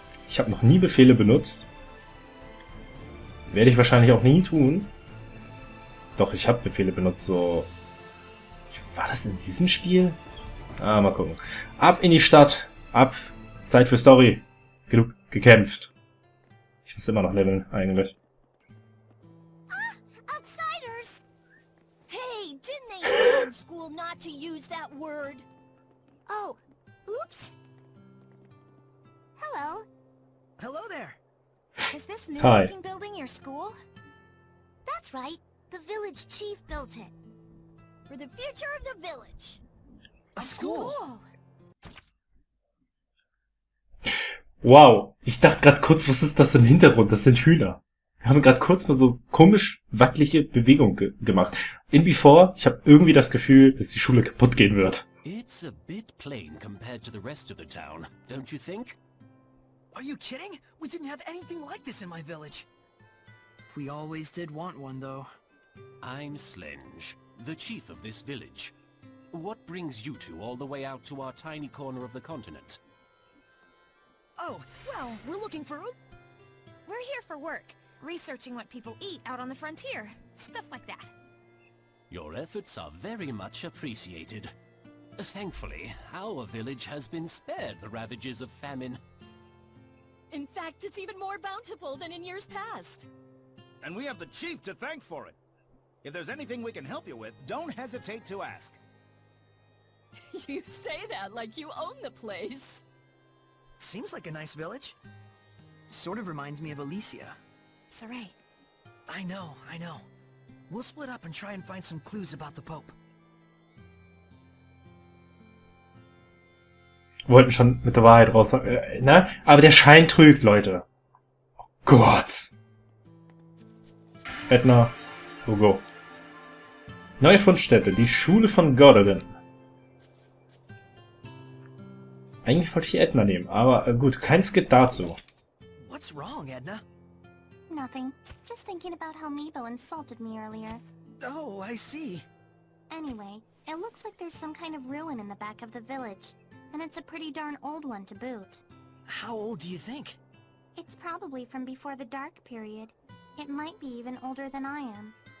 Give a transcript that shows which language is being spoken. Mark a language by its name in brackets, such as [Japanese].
[German] Ich habe noch nie Befehle benutzt. Werde ich wahrscheinlich auch nie tun. Doch, ich habe Befehle benutzt, so... War das in diesem Spiel? Ah, mal gucken. Ab in die Stadt. Ab. Zeit für Story. Genug gekämpft. Ich muss immer noch leveln, eigentlich. [English] Outsiders! Hey, didn't they say in school not to use that word? Oh, oops. Hello. Hello there. Is this new looking building your school? That's right. The village chief built it. For the future of the village. A school. [German] Wow, ich dachte gerade kurz, was ist das im Hintergrund? Das sind Hühner. Wir haben gerade kurz mal so komisch wackelige Bewegungen gemacht. In before, ich habe irgendwie das Gefühl, dass die Schule kaputt gehen wird. [English] It's a bit plain compared to the rest of the town, don't you think? Are you kidding? We didn't have anything like this in my village. We always did want one, though. I'm Slenge, the chief of this village. What brings you two all the way out to our tiny corner of the continent? Oh, well, we're looking for a... We're here for work, researching what people eat out on the frontier. Stuff like that. Your efforts are very much appreciated. Thankfully, our village has been spared the ravages of famine. In fact, it's even more bountiful than in years past. And we have the chief to thank for it. If there's anything we can help you with, don't hesitate to ask. You say that like you own the place. Seems like a nice village. Sort of reminds me of Alicia. Sarai. I know. We'll split up and try and find some clues about the Pope. [German] Wollten schon mit der Wahrheit raus, ne? Aber der Schein trügt, Leute. Oh Gott. Edna, Hugo. Neue Fundstätte, die Schule von Gordon. Eigentlich wollte ich Edna nehmen, aber gut, kein Skit dazu. [English] What's wrong, Edna? Nothing. Just thinking about how Meebo insulted me earlier. Oh, I see. Anyway, it looks like there's some kind of ruin in the back of the village, and it's a pretty darn old one to boot. How old do you think? It's probably from before the Dark Period. It might be even older than I am.